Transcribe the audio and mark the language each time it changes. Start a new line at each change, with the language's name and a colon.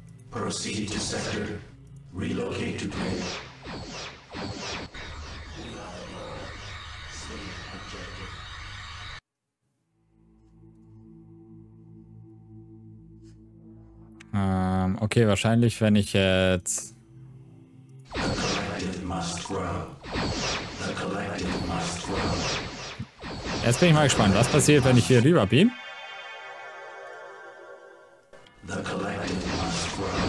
English: Proceed to sector. Relocate to base.
German: Okay, wahrscheinlich, wenn ich jetzt...
English: The collective must grow. The collective must grow.
German: Jetzt bin ich mal gespannt, was passiert, wenn ich hier rüber bin?
English: The collective must grow.